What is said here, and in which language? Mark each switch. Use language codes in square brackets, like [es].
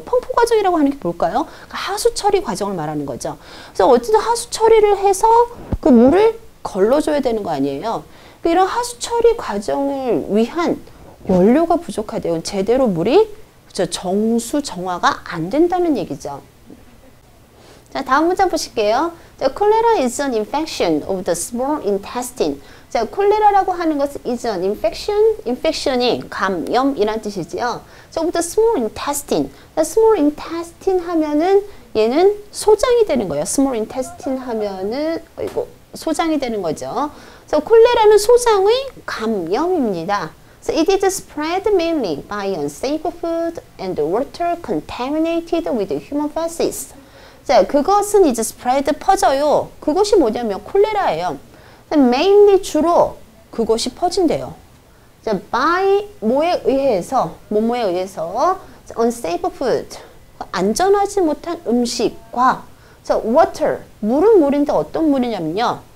[ko] 펌프 과정이라고 하는 게 뭘까요? 하수 처리 과정을 말하는 거죠. 그래서 어쨌든 하수 처리를 해서 그 물을 걸러줘야 되는 거 아니에요. 이런 하수 처리 과정을 위한 연료가 부족하대요. 제대로 물이 정수 정화가 안 된다는 얘기죠. 자, 다음 문장 보실게요. [en] The cholera is an infection of the small intestine. [ko] 자, 콜레라라고 하는 것은 [en] is an infection, [ko] infection이 감염이란 뜻이지요. [en] So of the small intestine. [ko] The small intestine 하면은 얘는 소장이 되는 거예요. Small intestine 하면은 아이고 소장이 되는 거죠. So 콜레라는 소장의 감염입니다. [en] So it is spread mainly by unsafe food and water contaminated with human feces. [ko] 자, 그것은 이제 spread 퍼져요. 그것이 뭐냐면 콜레라예요. mainly 주로 그것이 퍼진대요. 자, by 뭐에 의해서, 뭐뭐에 의해서 자, [en] unsafe food, [ko] 안전하지 못한 음식과 자, water, 물은 물인데 어떤 물이냐면요.